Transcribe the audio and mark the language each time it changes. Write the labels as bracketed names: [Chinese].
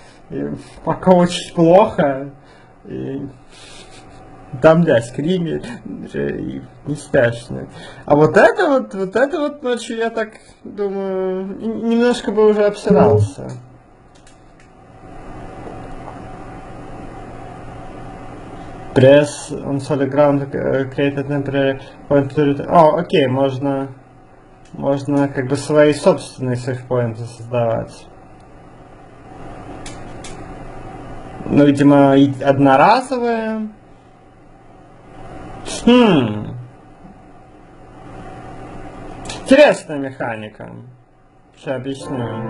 [Russian] И пока очень плохо. И... Там, да, скример, и неспешно. А вот это ночью, я так думаю, немножко бы уже обсирался. [English] Press on solid ground, create a temporary point to return. [Russian] О, окей, можно... Можно как бы свои собственные сейфпоинты создавать. Ну, видимо, одноразовые. Интересная механика. Сейчас объясню.